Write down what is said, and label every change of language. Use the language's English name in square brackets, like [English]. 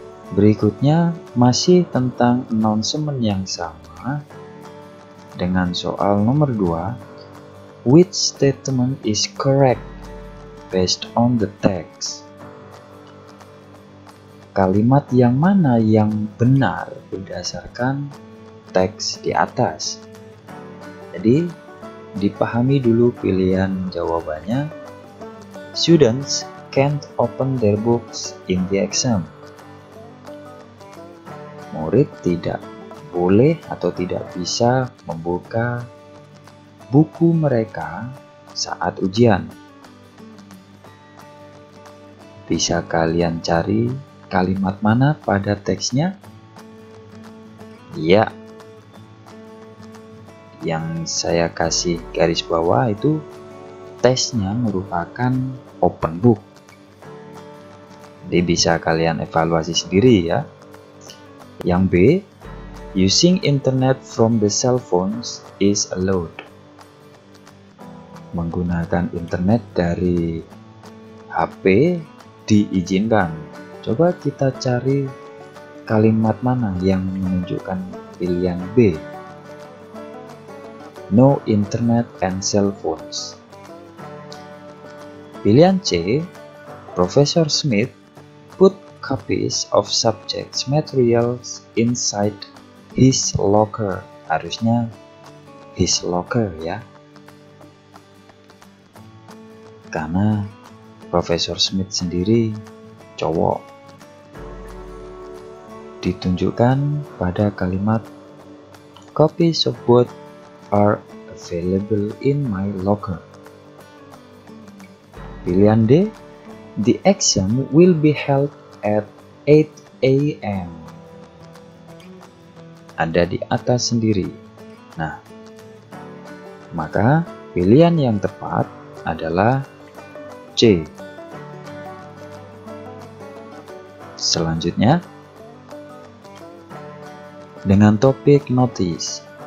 [Indonesian] Berikutnya masih tentang announcement yang sama dengan soal nomor 2, [English] which statement is correct based on the text? [Indonesian] Kalimat yang mana yang benar berdasarkan teks di atas? Jadi dipahami dulu pilihan jawabannya. [English] Students can't open their books in the exam. [Indonesian] Murid tidak boleh atau tidak bisa membuka buku mereka saat ujian. Bisa kalian cari kalimat mana pada teksnya? Ya, yang saya kasih garis bawah itu teksnya merupakan open book. Jadi bisa kalian evaluasi sendiri ya. Yang B, [English] using internet from the cell phones is allowed. [Indonesian] Menggunakan internet dari HP diizinkan. Coba kita cari kalimat mana yang menunjukkan pilihan B? [English] No internet and cell phones. [Indonesian] Pilihan C, [English] Professor Smith put copies of subjects materials inside his locker. [Indonesian] Harusnya [English] his locker [Indonesian] ya. Karena Profesor Smith sendiri cowok. Ditunjukkan pada kalimat [English] copies of both are available in my locker. [Indonesian] Pilihan D, [English] the exam will be held at 8 a.m. [Indonesian] Ada di atas sendiri. Nah, maka pilihan yang tepat adalah C. Selanjutnya, dengan topik notice.